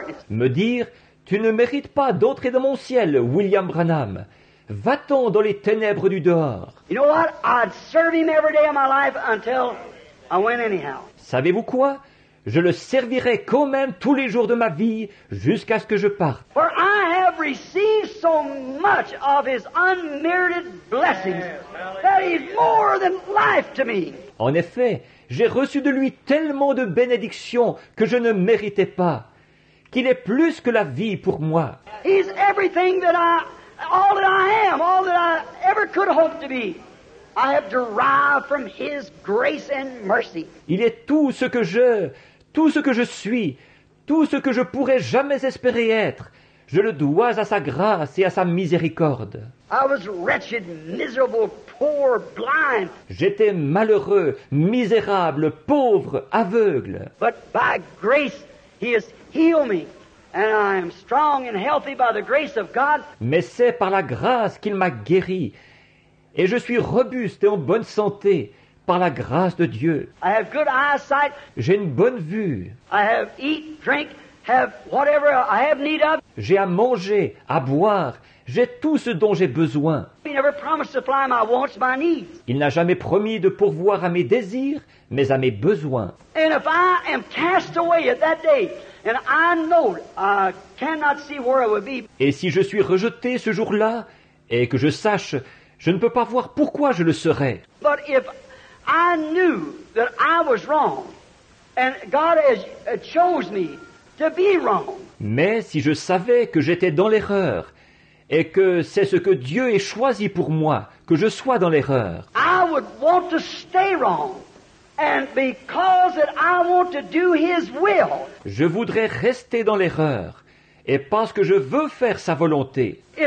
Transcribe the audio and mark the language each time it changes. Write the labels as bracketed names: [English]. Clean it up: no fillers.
[French] Me dire, tu ne mérites pas d'entrer dans mon ciel, William Branham. Va-t'en dans les ténèbres du dehors. [English] You know what? I'd serve him every day of my life until I went anyhow. [French] Savez-vous quoi? Je le servirai quand même tous les jours de ma vie jusqu'à ce que je parte. [English] For I have received so much of his unmerited blessings that he's more than life to me. [French] En effet, j'ai reçu de lui tellement de bénédictions que je ne méritais pas, qu'il est plus que la vie pour moi. [English] He's everything that I, all that I am, all that I ever could hope to be. I have derived from his grace and mercy. [French] Il est tout ce que je suis, tout ce que je pourrais jamais espérer être. Je le dois à sa grâce et à sa miséricorde. [English] I was wretched, miserable, poor, blind. [French] J'étais malheureux, misérable, pauvre, aveugle. [English] But by grace he has healed me. And I am strong and healthy by the grace of God. [French] Mais c'est par la grâce qu'il m'a guéri. Et je suis robuste et en bonne santé par la grâce de Dieu. [English] I have good eyesight. [French] J'ai une bonne vue. [English] I have eat, drink, have whatever I have need of. [French] J'ai à manger, à boire. J'ai tout ce dont j'ai besoin. [English] He never promised to supply my wants, my needs. [French] Il n'a jamais promis de pourvoir à mes désirs, mais à mes besoins. [English] And if I am cast away at that day, and I know I cannot see where I would be. [French] Et si je suis rejeté ce jour-là, et que je sache je ne peux pas voir pourquoi je le serais. [English] But if I knew that I was wrong, and God has chose me to be wrong. [French] Mais si je savais que j'étais dans l'erreur, et que c'est ce que Dieu ait choisi pour moi, que je sois dans l'erreur. [English] I would want to stay wrong, and because that I want to do His will. [French] Je voudrais rester dans l'erreur. Et parce que je veux faire sa volonté.